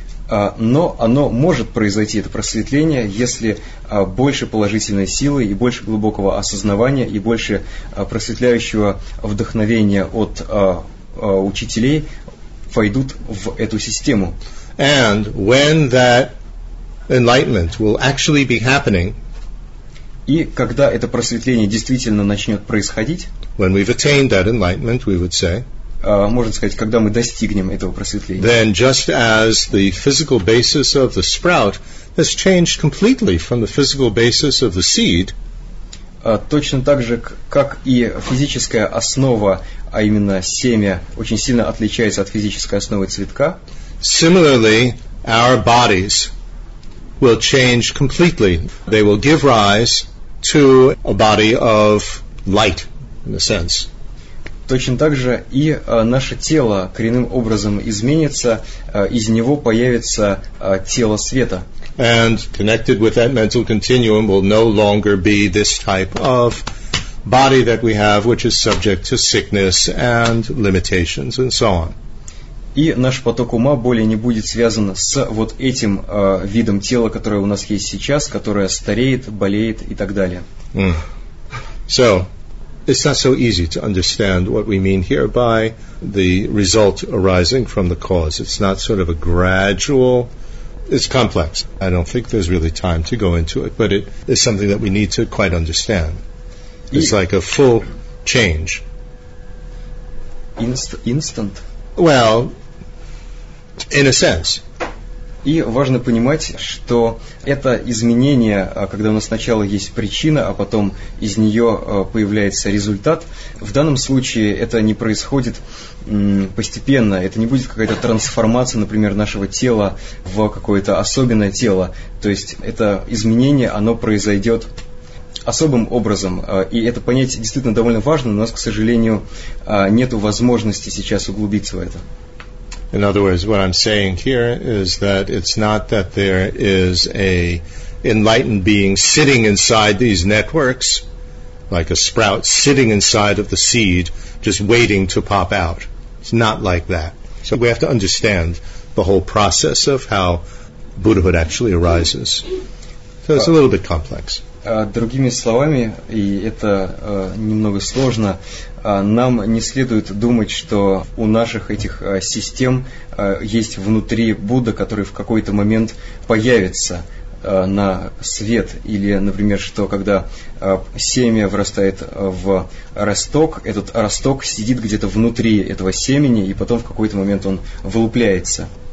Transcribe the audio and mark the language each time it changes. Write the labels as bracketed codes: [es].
[ru] Но оно может произойти, это просветление, если больше положительной силы и больше глубокого осознавания и больше просветляющего вдохновения от учителей войдут в эту систему. [en] And when that enlightenment will actually be happening, [ru] и когда это просветление действительно начнет происходить, [en] when we've attained that enlightenment, we would say, [ru] можно сказать, когда мы достигнем этого просветления, [en] then just as the physical basis of the sprout has changed completely from the physical basis of the seed, [ru] точно так же, как и физическая основа, а именно семя, очень сильно отличается от физической основы цветка, [en] similarly, our bodies will change completely. They will give rise to a body of light, in a sense. [ru] Точно так же и наше тело коренным образом изменится, из него появится тело света. [en] And connected with that mental continuum will no longer be this type of body that we have, which is subject to sickness and limitations and so on. [ru] И наш поток ума более не будет связан с вот этим видом тела, которое у нас есть сейчас, которое стареет, болеет и так далее. Mm. [en] So, it's not so easy to understand what we mean here by the result arising from the cause. It's not sort of a gradual, it's complex. I don't think there's really time to go into it, but it is something that we need to quite understand. It's like a full change. Instant? Well, in a sense. [ru] И важно понимать, что это изменение, когда у нас сначала есть причина, а потом из нее появляется результат, в данном случае это не происходит постепенно, это не будет какая-то трансформация, например, нашего тела в какое-то особенное тело. То есть это изменение, оно произойдет особым образом, и это понятие действительно довольно важно, но у нас, к сожалению, нет возможности сейчас углубиться в это. [en] In other words, what I'm saying here is that it's not that there is a enlightened being sitting inside these networks, like a sprout sitting inside of the seed, just waiting to pop out. It's not like that. So we have to understand the whole process of how Buddhahood actually arises. So it's a little bit complex. [ru] Другими словами, и это немного сложно, нам не следует думать, что у наших этих систем есть внутри Будда, который в какой-то момент появится на свет, или, например, что когда семя вырастает в росток, этот росток сидит где-то внутри этого семени, и потом в какой-то момент он вылупляется.